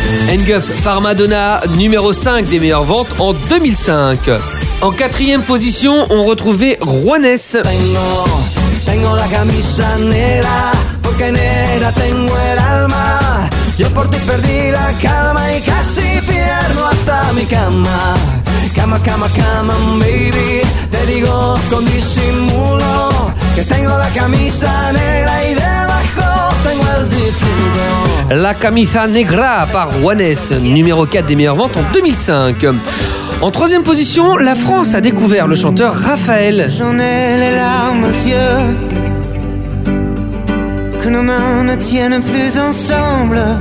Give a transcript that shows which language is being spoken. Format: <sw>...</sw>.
<fr>Hang Up par Madonna, numéro 5 des meilleures ventes en 2005. En 4e position, on retrouvait Juanes.</fr> <es>Tengo la camisa negra, porque negra tengo el alma. Yo por ti perdí la calma y casi pierdo hasta mi cama. Cama, cama, cama, baby, te digo con disimulo que tengo la camisa negra y debajo tengo el difunto.</es> <fr>La camisa negra par Juanes, numéro 4 des meilleures ventes en 2005. En 3e position, la France a découvert le chanteur Raphaël. J'en ai les larmes aux yeux, que nos mains ne tiennent plus ensemble.</fr>